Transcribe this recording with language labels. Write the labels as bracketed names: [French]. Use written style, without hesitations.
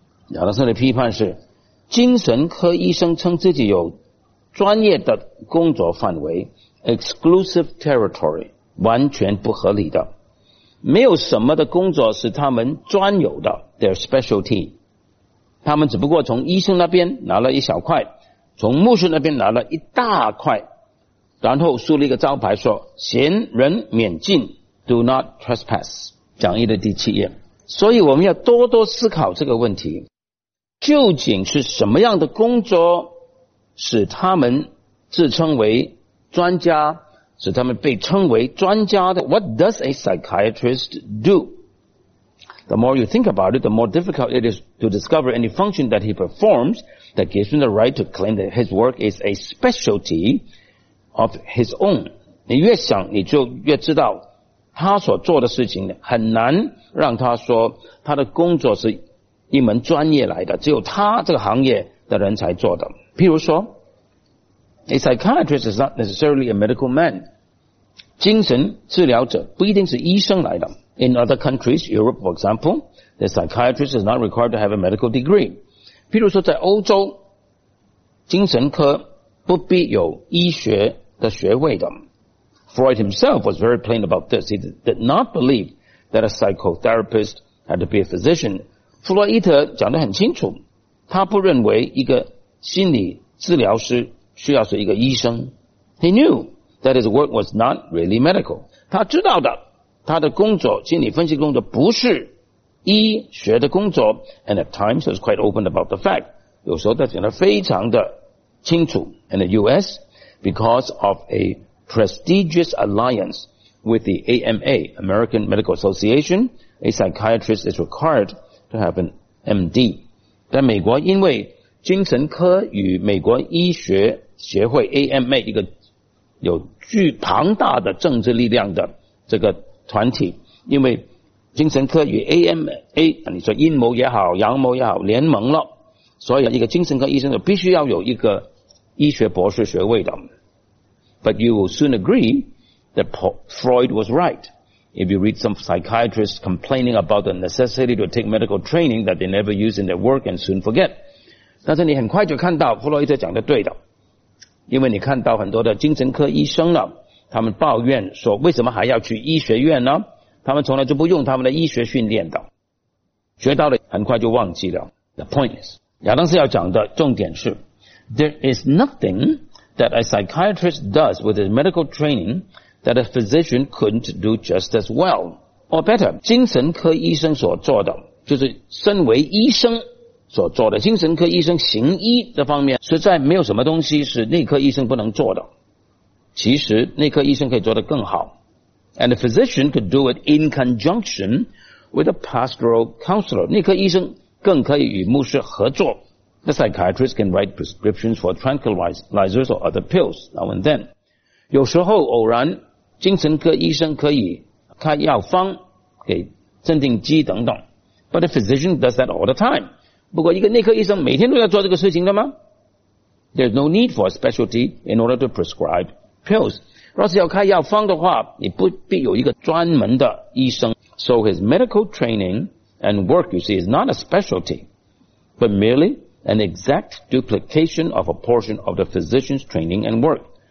[Chinese] 亚当斯的批判是，精神科医生称自己有专业的工作范围 [English] exclusive territory， [Chinese] 完全不合理的，没有什么的工作是他们专有的 [English] their specialty， [Chinese] 他们只不过从医生那边拿了一小块，从牧师那边拿了一大块，然后竖了一个招牌说闲人免进 [English] do not trespass， [Chinese] 讲义的第七页。所以我们要多多思考这个问题，究竟是什么样的工作使他们自称为专家，使他们被称为专家的。 [English] What does a psychiatrist do? The more you think about it, the more difficult it is to discover any function that he performs that gives him the right to claim that his work is a specialty of his own. [Chinese] 你越想你就越知道他所做的事情很难让他说他的工作是一门专业来的，只有他这个行业的人才做的。 [English] 譬如说 A psychiatrist is not necessarily a medical man， [Chinese] 精神治疗者不一定是医生来的。 [English] In other countries, Europe for example, the psychiatrist is not required to have a medical degree。 [Chinese] 譬如说在欧洲，精神科不必有医学的学位的。 [English] Freud himself was very plain about this. He did not believe that a psychotherapist had to be a physician。 [Chinese] 弗洛伊德讲得很清楚，他不认为一个心理治疗师需要是一个医生。 [English] He knew that his work was not really medical， [Chinese] 他知道的他的工作，心理分析工作不是医学的工作。 [English] And at times he was quite open about the fact， [Chinese] 有时候他讲得非常的清楚。 [English] In the US, because of a prestigious alliance with the AMA American Medical Association, a psychiatrist is required to have an MD。 [Chinese] 在美国因为精神科与美国医学协会 AMA 一个有巨庞大的政治力量的这个团体，因为精神科与 AMA 你说阴谋也好阳谋也好联盟了，所以一个精神科医生必须要有一个医学博士学位的。 [English] But you will soon agree that Freud was right if you read some psychiatrists complaining about the necessity to take medical training that they never use in their work and soon forget。 [Chinese] 但是你很快就看到弗洛伊德讲的对的，因为你看到很多的精神科医生了，他们抱怨说为什么还要去医学院呢，他们从来就不用他们的医学训练的，学到了很快就忘记了。 [English] The point is， [Chinese] 亚当斯要讲的重点是 [English] There is nothing that a psychiatrist does with his medical training that a physician couldn't do just as well or better。 [Chinese] 精神科医生所做的就是身为医生所做的，精神科医生行医这方面实在没有什么东西是内科医生不能做的，其实内科医生可以做得更好。 [English] And the physician could do it in conjunction with a pastoral counselor， [Chinese] 内科医生更可以与牧师合作。 [English] The psychiatrist can write prescriptions for tranquilizers or other pills now and then， [Chinese] 有时候偶然精神科医生可以开药方给镇定剂等等。 [English] But the physician does that all the time， [Chinese] 不过一个内科医生每天都要做这个事情的吗？ [English] There's no need for a specialty in order to prescribe pills。 [Chinese] 若是要开药方的话，你不必有一个专门的医生。 [English] So his medical training and work, you see, is not a specialty, but merely an exact duplication of a portion of the physician's training and work。